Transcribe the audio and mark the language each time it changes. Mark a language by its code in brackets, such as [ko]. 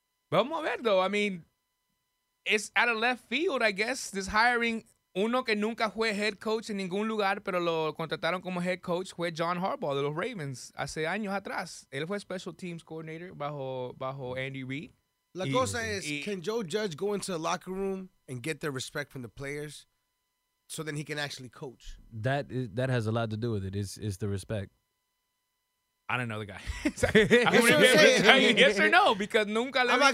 [es] Vamos a ver, [en] though. I mean, it's out of left field, I guess, this hiring. [es] Uno que nunca fue head coach en ningún lugar, pero lo contrataron como head coach, fue John Harbaugh de los Ravens hace años atrás. Él fue special teams coordinator bajo Andy Reid. [en] Can Joe Judge go into the locker room and get their respect from the players so then he can actually coach? That has a lot to do with it, is the respect. I don't know the guy. yes or no, because [es] nunca le [en] I'm not